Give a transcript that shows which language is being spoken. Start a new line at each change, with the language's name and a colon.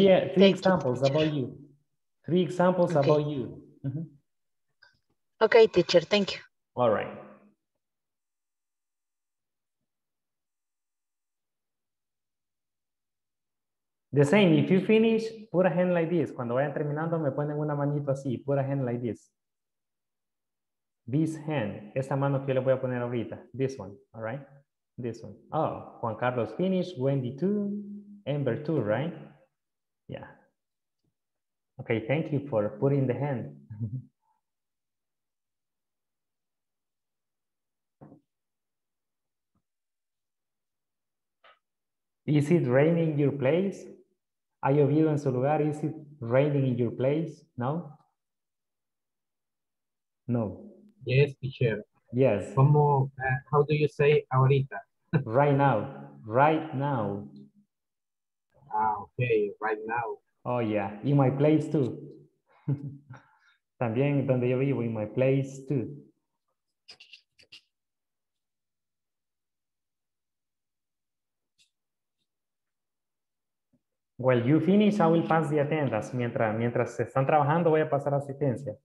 English: yeah, three examples about you. Three examples okay. about you. Mm-hmm. Okay, teacher, thank you. All right. The same, if you finish, put a hand like this.
Spanish: Cuando vayan terminando, me ponen una manito así.
English: Put a hand like this. This hand,
Spanish: esta mano que yo le voy a poner ahorita.
English: This one, all right? This one. Oh, Juan Carlos finished, Wendy too, Amber too, right? Yeah. Okay, thank you for putting the hand. Is it raining in your place?
Spanish: ¿Ha llovido en su lugar?
English: Is it raining in your place? No? No. Yes, teacher. Yes. Como, how do you say ahorita? Right now. Right now. Ah, okay. Right now. Oh, yeah. In my place, too.
Spanish: También donde yo vivo,
English: in my place, too. Well, you finish, I will pass the attendance.
Spanish: Mientras se están trabajando, voy a pasar asistencia.